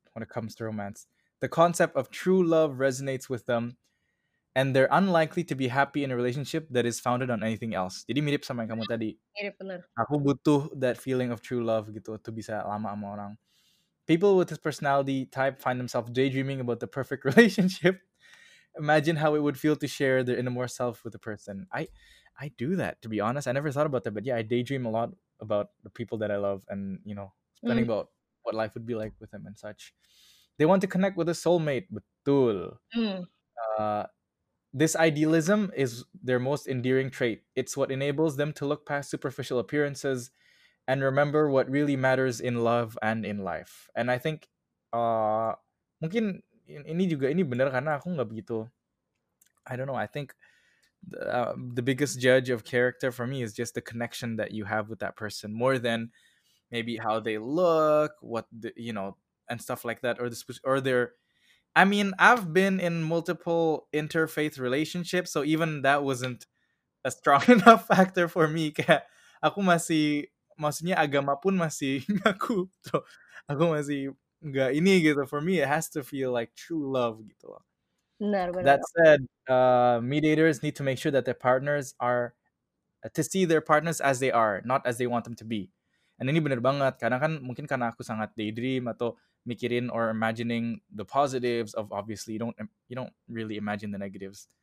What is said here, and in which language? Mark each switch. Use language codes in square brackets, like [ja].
[en] when it comes to romance. The concept of true love resonates with them, and they're unlikely to be happy in a relationship that is founded on anything else. [id] Jadi mirip sama yang kamu tadi. Mirip benar. Aku butuh [en] that feeling of true love [id] gitu untuk bisa lama sama orang. [en] People with this personality type find themselves daydreaming about the perfect relationship. Imagine how it would feel to share their innermost self with a person. I do that, to be honest. I never thought about that, but yeah, I daydream a lot about the people that I love and, you know, spending about what life would be like with them and such. They want to connect with a soulmate. [id] Betul. [en] This idealism is their most endearing trait. It's what enables them to look past superficial appearances and remember what really matters in love and in life. And I think, [id] mungkin ini juga, ini benar karena aku nggak begitu, [en] I don't know, I think the biggest judge of character for me is just the connection that you have with that person, more than maybe how they look, what, the, you know, and stuff like that, or their, I mean, I've been in multiple interfaith relationships, so even that wasn't a strong enough factor for me. [id] Kayak, aku masih, maksudnya agama pun masih ngaku, so, aku masih nggak ini gitu. [en] For me, it has to feel like true love [id] gitu. [en] That said, mediators need to make sure that their partners are, to see their partners as they are, not as they want them to be. And [id] ini benar banget, karena kan mungkin karena aku sangat [en] daydream [id] atau mikirin [en] or imagining the positives of, obviously you don't really imagine the negatives.